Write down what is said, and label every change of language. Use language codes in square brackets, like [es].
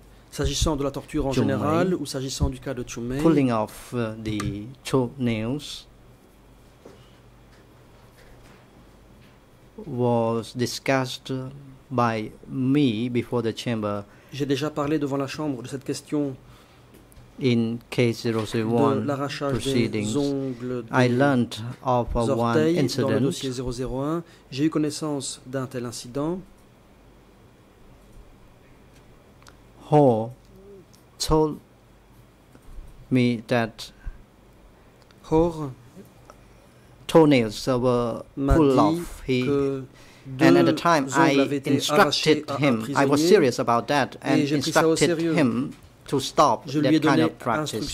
[fr] s'agissant de la torture en général ou s'agissant du cas de Chomei, [en] pulling off the toenails, was discussed by me before the chamber. [fr] J'ai déjà parlé devant la chambre de cette question. [en] In K-001 proceedings, I learned of one incident. [fr] Dans le dossier 001, j'ai eu connaissance d'un tel incident. [en] Ho told me that toenails were pulled off. He and at the time I instructed him, I was serious about that, and instructed him to stop that kind of practice.